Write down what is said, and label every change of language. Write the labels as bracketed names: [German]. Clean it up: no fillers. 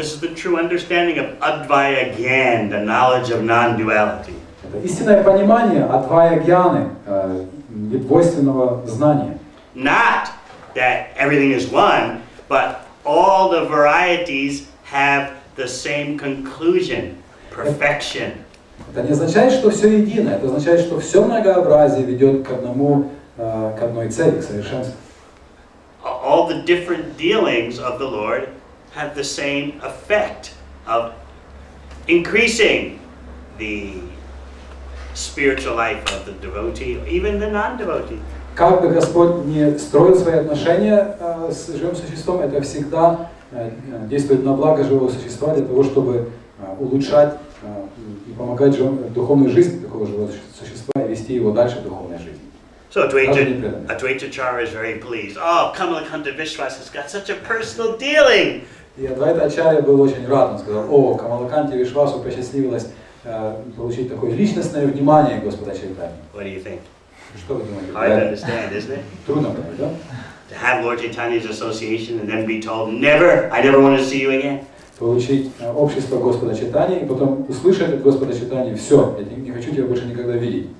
[English] This is the true understanding of Advaita Gyan, the knowledge of non-duality. [Russian] Это истинное понимание Advaita Gyaны, недвойственного знания. [English] Not that everything is one, but all the varieties have the same conclusion, perfection. [Russian] Это не означает, что все единое. Это означает, что все многообразие ведет к одному, к одной цели, к совершенству. [English] All the different dealings of the Lord have the same effect of increasing the spiritual life of the devotee, even the non-devotee. [Russian] Как бы Господь ни строил свои отношения с живым существом, это всегда действует на благо живого существа для того, чтобы улучшать и помогать духовной жизни такого живого существа и вести его дальше в духовной жизни. [English] So Advaita Acharya is very pleased. Oh, Kamalakanta Vishwas has got such a personal dealing. [Russian] И Адвайта Ачарья был очень рад, он сказал, о, Камалаканте Вишвасу посчастливилось получить такое личностное внимание Господа Чайтаньи. [English] What do you think? [Russian] Что вы думаете? [English] Hard to understand, isn't it? [Russian] Трудно понять, да? [English] To have Lord Chaitanya's association and then be told, never, I never want to see you again. [Russian] Получить общество Господа Чайтаньи и потом услышать от Господа Чайтаньи, все, я не хочу тебя больше никогда видеть.